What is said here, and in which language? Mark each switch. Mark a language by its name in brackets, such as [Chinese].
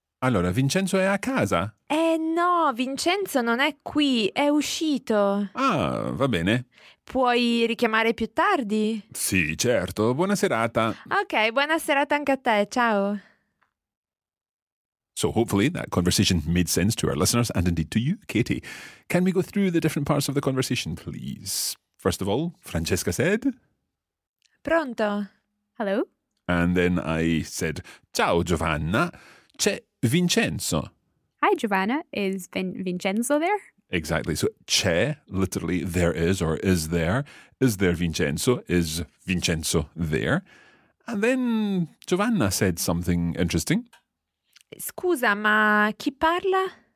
[Italian] Allora, Vincenzo è a casa? No, Vincenzo non è qui, è uscito. Ah, va bene. Puoi richiamare più tardi? Sì, certo. Buona serata. Ok, buona serata anche a te. Ciao. [English] So hopefully that conversation made sense to our listeners and indeed to you, Katie. Can we go through the different parts of the conversation, please? First of all, Francesca said... [Italian] Pronto. [English] Hello. And then I said, [Italian] ciao Giovanna, c'è Vincenzo. [English] Hi Giovanna, is Vincenzo there? Exactly. So c'è, literally there is or is there. Is there Vincenzo? Is Vincenzo there? And then Giovanna said something interesting. [Italian] Scusa, ma chi parla?